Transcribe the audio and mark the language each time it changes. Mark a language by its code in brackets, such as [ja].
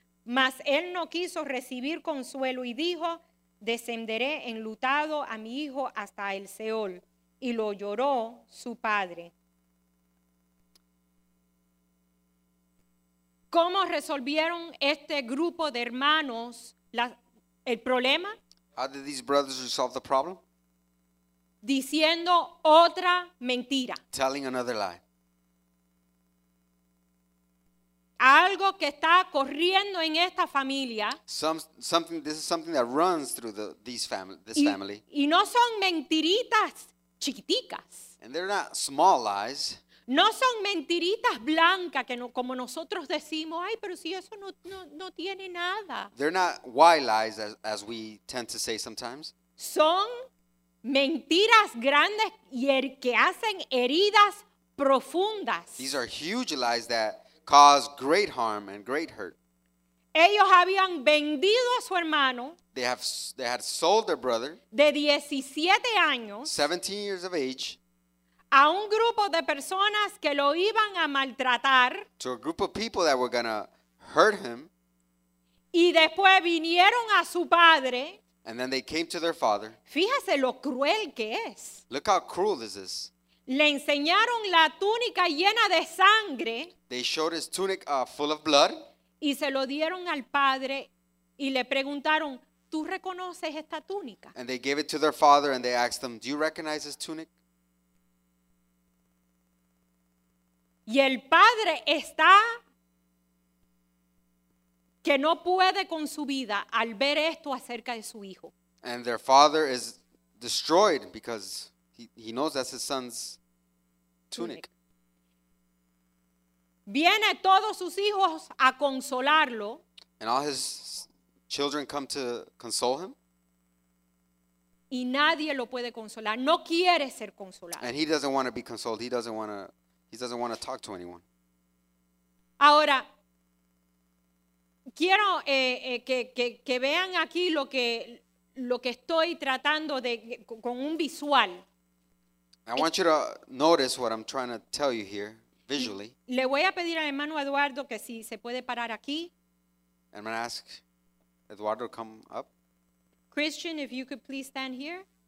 [es] Mas él no quiso recibir consuelo y dijo, descenderé enlutado a mi hijo hasta el Seol. Y lo lloró su padre. ¿Cómo resolvieron este grupo de hermanos el problema? [en] How did these brothers resolve the problem? [es] Diciendo otra mentira. [en] Telling another lie. [es] Algo que está corriendo en esta familia. [en] This is something that runs through this family. [es] Y no son mentiritas chiquiticas. [en] And they're not small lies. [es] No son mentiritas blancas que no, como nosotros decimos, ay, pero si eso no tiene nada. [en] They're not white lies as we tend to say sometimes. [es] Son mentiras grandes y que hacen heridas profundas. [en] These are huge lies that cause great harm and great hurt. [es] Ellos habían vendido a su hermano. [en] They had sold their brother. [es] De 17 años. [en] 17 years of age. [es] A un grupo de personas que lo iban a maltratar. [en] To a group of people that were gonna hurt him. [es] Y después vinieron a su padre. [en] And then they came to their father. [es] Fíjese lo cruel que es. [en] Look how cruel this is. [es] Le enseñaron la túnica llena de sangre. [en] They showed his tunic full of blood. [es] Y se lo dieron al padre y le preguntaron, ¿tú reconoces esta túnica? [en] And they gave it to their father and they asked them, do you recognize this tunic? [es] Y el padre está que no puede con su vida al ver esto acerca de su hijo. [en] And their father is destroyed because he knows that's his son's tunic. [es] Viene todos sus hijos a consolarlo. [en] And all his children come to console him. [es] Y nadie lo puede consolar. No quiere ser consolado. [en] And he doesn't want to be consoled. He doesn't want to talk to anyone. [es] Ahora, quiero que vean aquí lo que estoy tratando de con un visual. [en] I want you to notice what I'm trying to tell you here, visually. [es] Le voy a pedir al hermano Eduardo que si se puede parar aquí. [en] I'm going to ask Eduardo to come up. Christian, if you could please stand here.